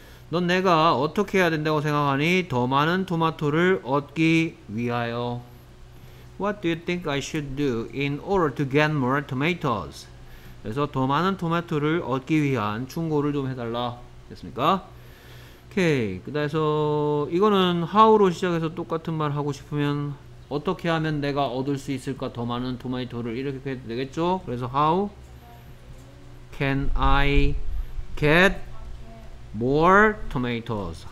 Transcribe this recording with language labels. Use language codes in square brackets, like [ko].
[ko] 넌 내가 어떻게 해야 된다고 생각하니? 더 많은 토마토를 얻기 위하여. [en] What do you think I should do in order to get more tomatoes? [ko] 그래서 더 많은 토마토를 얻기 위한 충고를 좀 해달라. 됐습니까? 오케이. 그래서 이거는 how로 시작해서 똑같은 말 하고 싶으면 어떻게 하면 내가 얻을 수 있을까? 더 많은 토마토를 이렇게 해도 되겠죠? 그래서 [en] how can I get more tomatoes?